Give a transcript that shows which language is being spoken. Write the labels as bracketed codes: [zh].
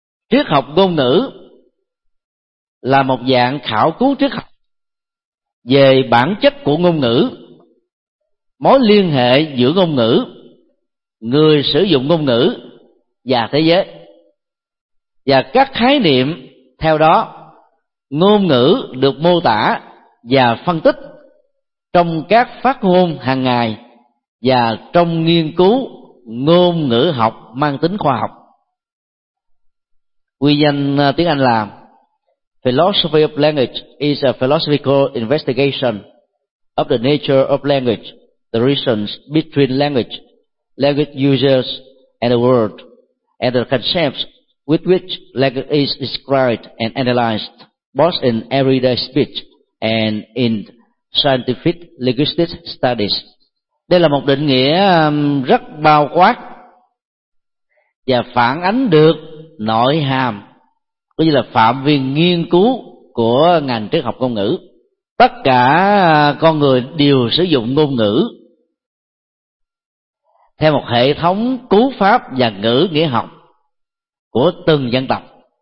[vi] Triết học ngôn ngữ là một dạng khảo cứu triết học về bản chất của ngôn ngữ, mối liên hệ giữa ngôn ngữ, người sử dụng ngôn ngữ và thế giới, và các khái niệm theo đó. Ngôn ngữ được mô tả và phân tích trong các phát ngôn hàng ngày và trong nghiên cứu ngôn ngữ học mang tính khoa học. Quy danh tiếng Anh là [en] Philosophy of language is a philosophical investigation of the nature of language, the reasons between language, language users and the world, and the concepts with which language is described and analyzed, both in everyday speech and in scientific linguistic studies. [vi] Đây là một định nghĩa rất bao quát và phản ánh được nội hàm, cũng như là phạm vi nghiên cứu của ngành triết học ngôn ngữ. Tất cả con người đều sử dụng ngôn ngữ theo một hệ thống cú pháp và ngữ nghĩa học của từng dân tộc.